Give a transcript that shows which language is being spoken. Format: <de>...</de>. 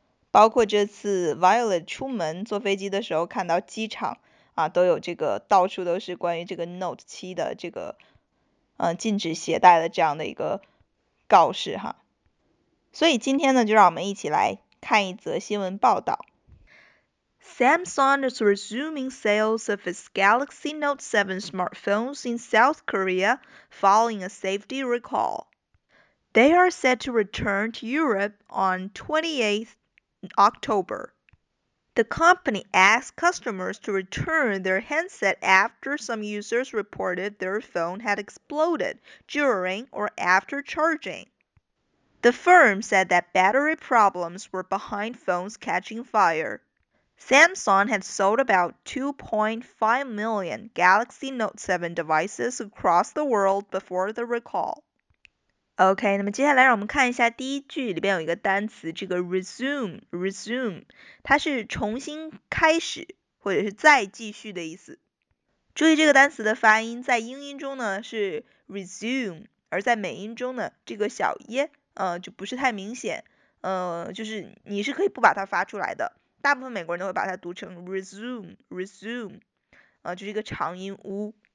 <zh>包括这次 Violet 出门坐飞机的时候看到机场啊，都有这个到处都是关于这个 Note 7的这个禁止携带的这样的一个告示哈。所以今天呢，就让我们一起来看一则新闻报道。</zh> <en>Samsung is resuming sales of its Galaxy Note 7 smartphones in South Korea following a safety recall. They are set to return to Europe on 28th October. The company asked customers to return their handset after some users reported their phone had exploded during or after charging. The firm said that battery problems were behind phones catching fire. Samsung had sold about 2.5 million Galaxy Note 7 devices across the world before the recall.</en> <zh>OK, 那么接下来让我们看一下第一句里边有一个单词，这个 resume, 它是重新开始或者是再继续的意思。注意这个单词的发音，在英音中呢是 resume, 而在美音中呢这个小耶就不是太明显，就是你是可以不把它发出来的，大部分美国人都会把它读成 resume, 就是一个长音呜。</zh>